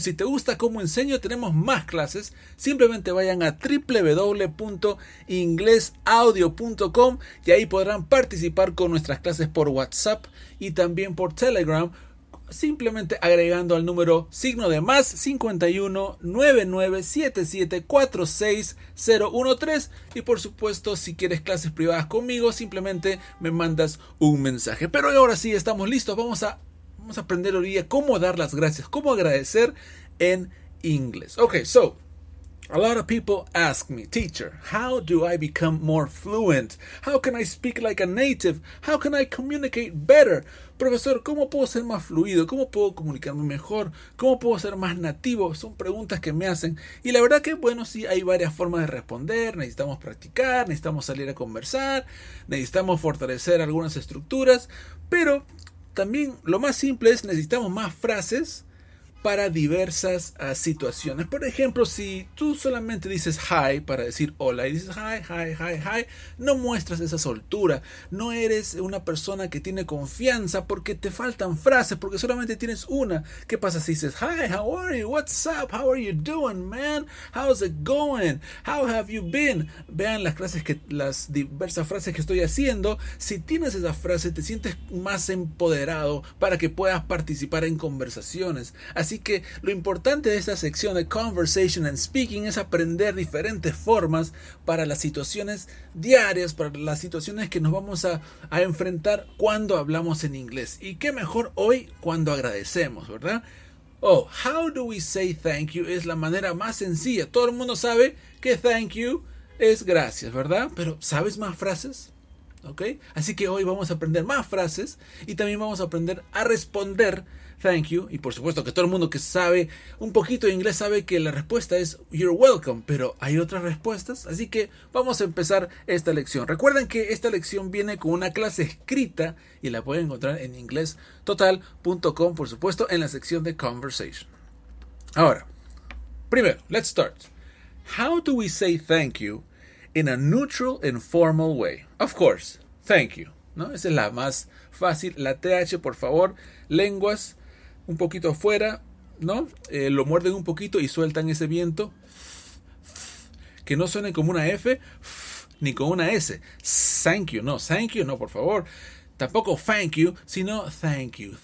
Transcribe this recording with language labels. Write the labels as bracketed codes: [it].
[es] Si te gusta cómo enseño, tenemos más clases. Simplemente vayan a www.inglesaudio.com y ahí podrán participar con nuestras clases por WhatsApp y también por Telegram, simplemente agregando al número signo de más 51 99 77 46 013. Y por supuesto, si quieres clases privadas conmigo, simplemente me mandas un mensaje. Pero ahora sí, estamos listos. Vamos a aprender hoy día cómo dar las gracias, cómo agradecer en inglés. [en] Okay, so a lot of people ask me, teacher, how do I become more fluent? How can I speak like a native? How can I communicate better? [es] Profesor, ¿cómo puedo ser más fluido? ¿Cómo puedo comunicarme mejor? ¿Cómo puedo ser más nativo? Son preguntas que me hacen. Y la verdad que, bueno, sí, hay varias formas de responder. Necesitamos practicar, necesitamos salir a conversar, necesitamos fortalecer algunas estructuras. Pero también lo más simple es, necesitamos más frases para diversas situaciones. Por ejemplo, si tú solamente dices hi para decir hola y dices hi, hi, hi, hi, no muestras esa soltura, no eres una persona que tiene confianza porque te faltan frases, porque solamente tienes una. ¿Qué pasa si dices [en] hi, how are you, what's up, how are you doing, man, how's it going, how have you been? [es] Vean las clases, que las diversas frases que estoy haciendo. Si tienes esa frase, te sientes más empoderado para que puedas participar en conversaciones. Así que lo importante de esta sección de Conversation and Speaking es aprender diferentes formas para las situaciones diarias, para las situaciones que nos vamos a enfrentar cuando hablamos en inglés. Y qué mejor hoy cuando agradecemos, ¿verdad? [en] Oh, how do we say thank you? [es] Es la manera más sencilla. Todo el mundo sabe que thank you es gracias, ¿verdad? Pero ¿sabes más frases? ¿Ok? Así que hoy vamos a aprender más frases y también vamos a aprender a responder thank you. Y por supuesto que todo el mundo que sabe un poquito de inglés sabe que la respuesta es [en] you're welcome, [es] pero hay otras respuestas. Así que vamos a empezar esta lección. Recuerden que esta lección viene con una clase escrita y la pueden encontrar en inglestotal.com, por supuesto, en la sección de conversation. Ahora, primero, [en] let's start. How do we say thank you in a neutral and formal way? Of course, thank you, [es] ¿no? Esa es la más fácil. La TH, por favor, lenguas un poquito afuera, ¿no? Lo muerden un poquito y sueltan ese viento. Que no suene como una F ni como una S. Thank you, no, por favor. Tampoco thank you, sino thank you.